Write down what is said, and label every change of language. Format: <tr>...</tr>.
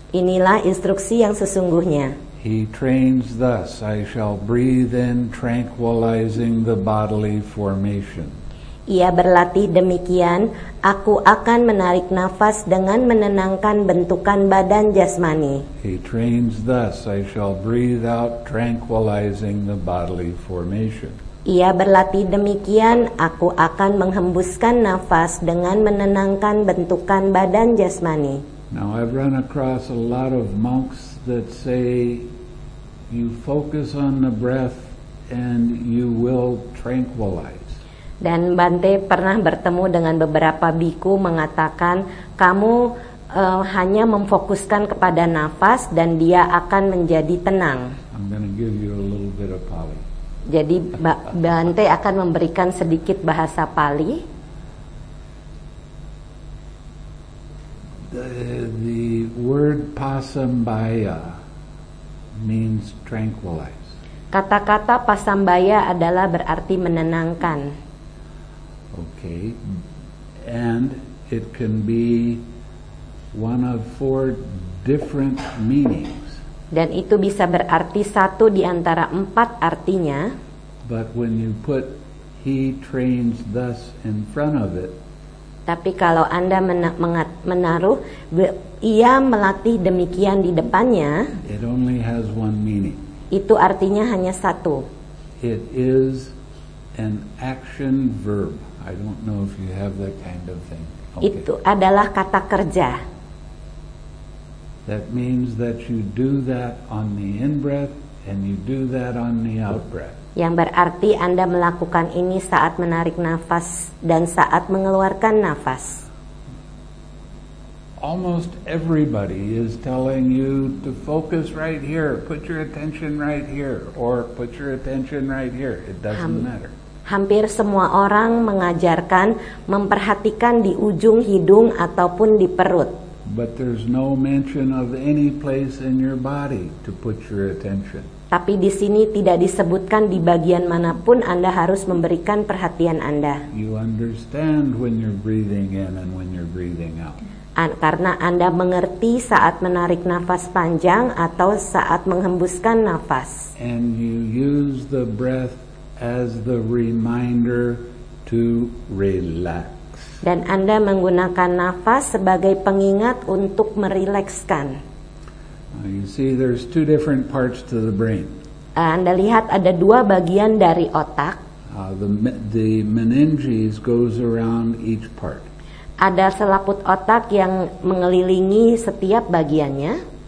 <id>Inilah instruksi yang sesungguhnya.</id> <en>He trains thus, I shall breathe in tranquilizing the bodily formation.</en> <id>Ia berlatih demikian, aku akan menarik nafas dengan menenangkan bentukan badan jasmani.</id> <en>He trains thus, I shall breathe out tranquilizing the bodily formation.</en> <id>Ia berlatih demikian, aku akan menghembuskan nafas dengan menenangkan bentukan badan jasmani.</id> <en>Now I've run across a lot of monks that say you focus on the breath and you will tranquilize.</en> <id>Dan Bante pernah bertemu dengan beberapa biku mengatakan kamu hanya memfokuskan kepada nafas dan dia akan menjadi tenang.</id> <en>I'm going to give you a little bit of Pali.</en> <id>Jadi Bante akan memberikan sedikit bahasa Pali.</id> <en>The word pasambaya means tranquilize.</en> <id>Kata-kata pasambaya adalah berarti menenangkan.</id> <en>Okay. And it can be one of four different meanings.</en> <id>Dan itu bisa berarti satu di antara empat artinya.</id> <en>But when you put he trains thus in front of it.</en> <id>Tapi kalau Anda menaruh ia melatih demikian di depannya,</id> <en>it only has one meaning.</en> <id>Itu artinya hanya satu.</id> <en>It is an action verb. I don't know if you have that kind of thing.</en> <id>Okay. Itu adalah kata kerja.</id> <en>That means that you do that on the in-breath and you do that on the out-breath.</en> <id>Yang berarti Anda melakukan ini saat menarik nafas dan saat mengeluarkan nafas.</id> <en>Almost everybody is telling you to focus right here, put your attention right here, or put your attention right here. It doesn't matter.</en> <id>Hampir semua orang mengajarkan memperhatikan di ujung hidung ataupun di perut.</id> <en>But there's no mention of any place in your body to put your attention.</en> <id>Tapi di sini tidak disebutkan di bagian manapun Anda harus memberikan perhatian Anda.</id> <en>You understand when you're breathing in and when you're breathing out.</en> <id>Karena Anda mengerti saat menarik nafas panjang atau saat menghembuskan nafas.</id> <en>And you use the breath as the reminder to relax.</en> <id>Dan Anda menggunakan nafas sebagai pengingat untuk merilekskan.</id> <en>You see, there's two different parts to the brain.</en> <id>Anda lihat ada dua bagian dari otak.</id> <en>The meninges goes around each part.</en> <id>Ada selaput otak yang mengelilingi setiap bagiannya.</id>